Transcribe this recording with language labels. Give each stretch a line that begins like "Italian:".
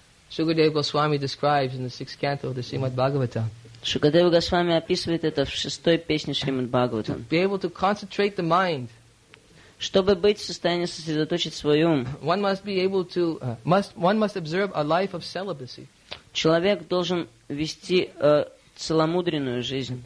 English: Шукадева Госвами describes in the sixth canto of the Srimad Bhagavatam.
Russian: Шукадева Госвами описывает это в шестой песне Шримад Бхагаватам.
English: To be able to concentrate the mind.
Russian: Чтобы быть в состоянии сосредоточить свой ум.
English: One must be able to one must observe a life of celibacy.
Russian: Человек должен вести целомудренную жизнь.